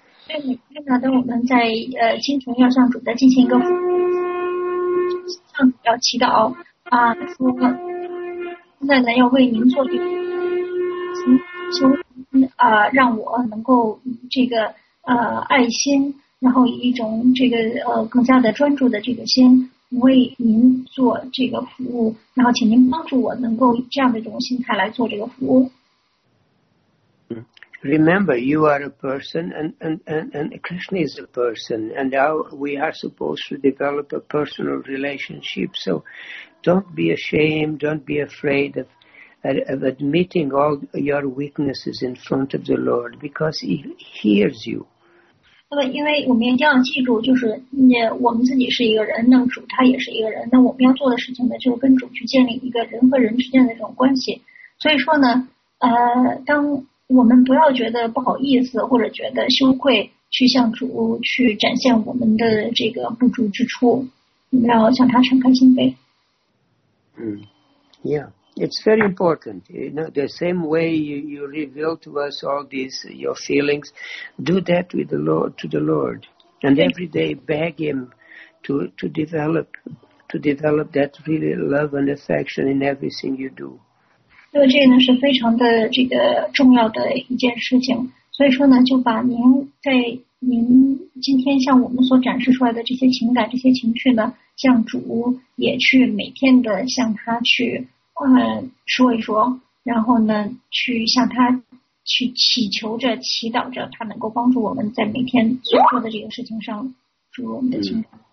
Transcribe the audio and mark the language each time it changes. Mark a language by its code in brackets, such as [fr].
[zh] 对，每天呢，当我们在清晨要向主的进行一个向主要祈祷啊，说现在呢要为您做这个，求让我能够这个爱心，然后以一种这个更加的专注的这个心为您做这个服务，然后请您帮助我能够以这样的一种心态来做这个服务。 [en] Remember, you are a person, and Krishna is a person, and now we are supposed to develop a personal relationship. So, don't be ashamed, don't be afraid of admitting all your weaknesses in front of the Lord, because He hears you. [zh] 那么，因为我们一定要记住，就是我们自己是一个人，那么主他也是一个人，那我们要做的事情呢，就是跟主去建立一个人和人之间的这种关系。所以说呢，当我们不要觉得不好意思或者觉得羞愧去向主去展现我们的这个不足之处，我们要向他敞开心扉。 [en] Yeah, it's very important. You know, the same way you reveal to us all these your feelings, do that with the Lord, to the Lord, and every day beg Him to develop that really love and affection in everything you do. [zh] 因为这个呢是非常的这个重要的一件事情，所以说呢，就把您在您今天向我们所展示出来的这些情感、这些情绪呢，向主也去每天的向他去说一说，然后呢，去向他去祈求着、祈祷着，他能够帮助我们在每天所做的这个事情上注入我们的情感。